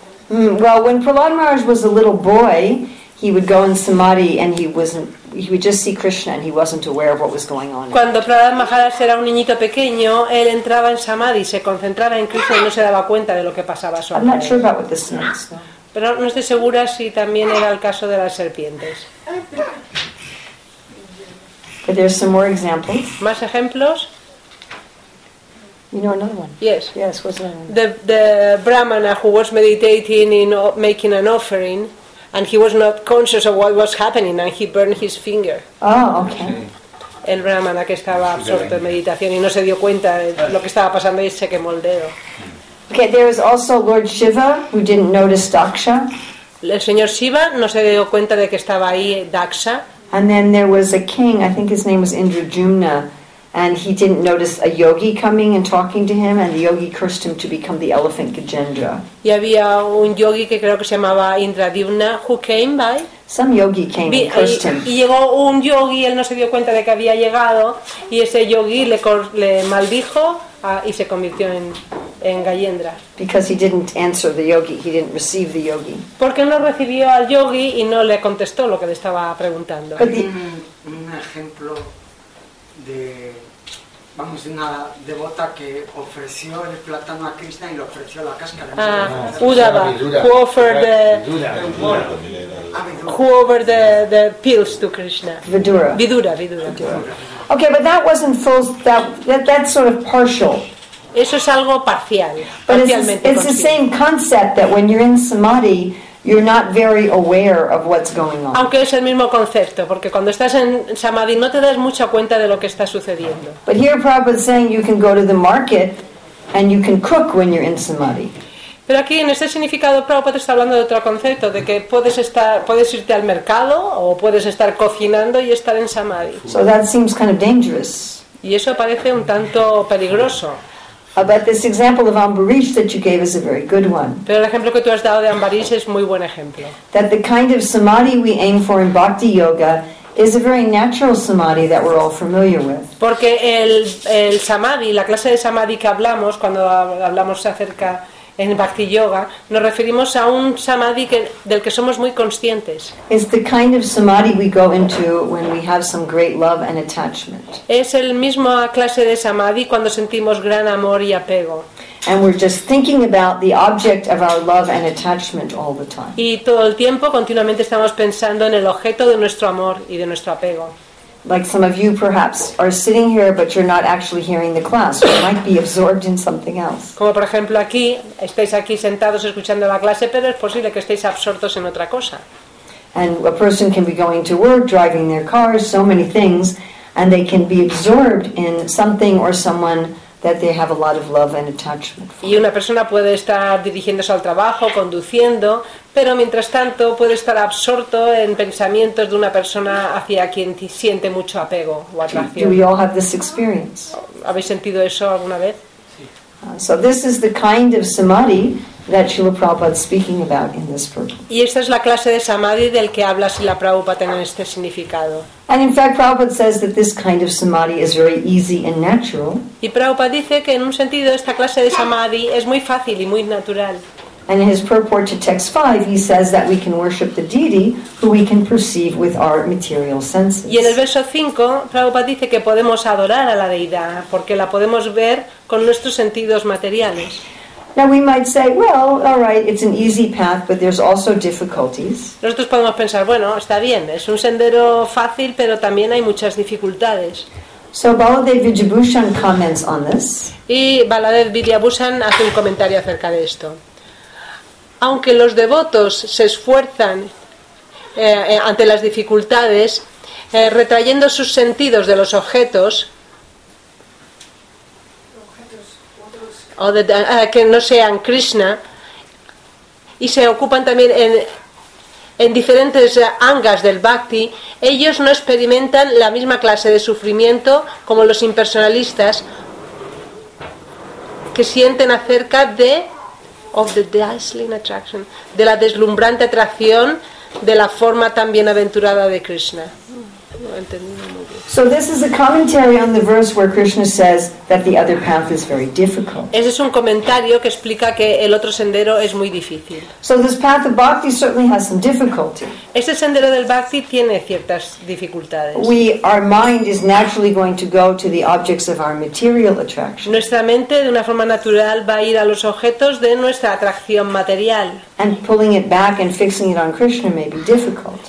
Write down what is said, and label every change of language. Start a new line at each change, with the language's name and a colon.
English: Well, when Prahlad Maharaj was a little boy, he would go in samadhi and he would just see Krishna and he wasn't aware of what was going on.
Spanish: Cuando Prahlad Maharaj era un niñito pequeño, él entraba en samadhi, se concentraba en Krishna y no se daba cuenta de lo que pasaba a su alrededor.
English: I'm not sure about the snakes.
Spanish: Pero no estoy segura si también era el caso de las serpientes.
English: But there's some more examples.
Spanish: ¿Más ejemplos?
English: You know another one? Yes. Yes, what's another one? The Brahmana who was meditating in making an offering and he was not conscious of what was happening and he burned his finger. Oh, okay.
Spanish: El Brahmana que estaba absorto en meditación y no se dio cuenta de lo que estaba pasando y se quemó el dedo.
English: Okay, there was also Lord Shiva who didn't notice Daksha.
Spanish: El señor Shiva no se dio cuenta de que estaba ahí Daksha.
English: And then there was a king, I think his name was Indrajumna, and he didn't notice a yogi coming and talking to him, and the yogi cursed him to become the elephant Gajendra.
Spanish: Y había un yogi que creo que se llamaba Indrajumna,
English: who came by. Some yogi came and cursed him.
Spanish: Y llegó un yogi, él no se dio cuenta de que había llegado, y ese yogi le maldijo y se convirtió en Gajendra.
English: Because he didn't answer the yogi, he didn't receive the yogi.
Spanish: Porque no recibió al yogi y no le contestó lo que le estaba preguntando. Un ejemplo de una devota que ofreció el plátano a Krishna y le ofreció la cáscara.
English: Ah, Uddhava, who offered the pills to Krishna. Vidura. Okay, but that wasn't full. That's sort of partial.
Spanish: Eso es algo parcial.
English: But it's the same concept that when you're in samadhi, you're not very aware of what's going on.
Spanish: Aunque es el mismo concepto, porque cuando estás en samadhi no te das mucha cuenta de lo que está sucediendo.
English: But here Prabhupada is saying you can go to the market and you can cook when you're in samadhi.
Spanish: Pero aquí en este significado Prabhupada está hablando de otro concepto, de que puedes irte al mercado o puedes estar cocinando y estar en samadhi.
English: So that seems kind of dangerous.
Spanish: Y eso parece un tanto peligroso.
English: But this example of Ambarish that you gave is a very good one.
Spanish: Pero el ejemplo que tú has dado de Ambarish es muy buen ejemplo.
English: That the kind of samadhi we aim for in bhakti yoga is a very natural samadhi that we're all familiar with.
Spanish: Porque el samadhi, la clase de samadhi que hablamos cuando hablamos acerca en bhakti yoga, nos referimos a un samadhi del que somos muy conscientes.
English: It's the kind of samadhi we go into when we have some great love and attachment.
Spanish: Es el mismo clase de samadhi cuando sentimos gran amor y apego.
English: And we're just thinking about the object of our love and attachment all the time.
Spanish: Y todo el tiempo continuamente estamos pensando en el objeto de nuestro amor y de nuestro apego.
English: Like some of you perhaps are sitting here but you're not actually hearing the class. You might be absorbed in something else.
Spanish: Como por ejemplo aquí, estáis aquí sentados escuchando la clase, pero es posible que estéis absortos en otra cosa.
English: And a person can be going to work, driving their cars, so many things, and they can be absorbed in something or someone that they have a lot of love and attachment for.
Spanish: Y una persona puede estar dirigiéndose al trabajo, conduciendo, pero mientras tanto puede estar absorto en pensamientos de una persona hacia quien siente mucho apego o atracción.
English: Do we all have this experience?
Spanish: ¿Habéis sentido eso alguna vez? Sí.
English: So this is the kind of samadhi that Srila Prabhupada is speaking about in this verse.
Spanish: Y esta es la clase de samadhi del que habla Srila Prabhupada en este significado.
English: And in fact, Prabhupada says that this kind of samadhi is very easy and natural.
Spanish: Y Prabhupada dice que en un sentido esta clase de samadhi es muy fácil y muy natural.
English: And in his purport to text 5, he says that we can worship the deity who we can perceive with our material senses.
Spanish: Y en el verso 5, Prabhupada dice que podemos adorar a la deidad porque la podemos ver con nuestros sentidos materiales.
English: Now we might say, well, all right, it's an easy path, but there's also difficulties.
Spanish: Nosotros podemos pensar, bueno, está bien, es un sendero fácil, pero también hay muchas dificultades.
English: So Baladev Vidyabhushan comments on this.
Spanish: Y Baladev Vidyabhushan hace un comentario acerca de esto. Aunque los devotos se esfuerzan ante las dificultades, retrayendo sus sentidos de los objetos, que no sean Krishna, y se ocupan también en diferentes angas del bhakti, ellos no experimentan la misma clase de sufrimiento como los impersonalistas, que sienten acerca de
English: of the dazzling attraction,
Spanish: de la deslumbrante atracción de la forma tan bienaventurada de Krishna.
English: So this is a commentary on the verse where Krishna says that the other path is very difficult.
Spanish: Ese es un comentario que explica que el otro sendero es muy difícil.
English: So this path of bhakti certainly has some difficulty.
Spanish: Este sendero del bhakti tiene ciertas dificultades.
English: Our mind is naturally going to go to the objects of our material attraction.
Spanish: Nuestra mente de una forma natural va a ir a los objetos de nuestra atracción material.
English: And pulling it back and fixing it on Krishna may be difficult.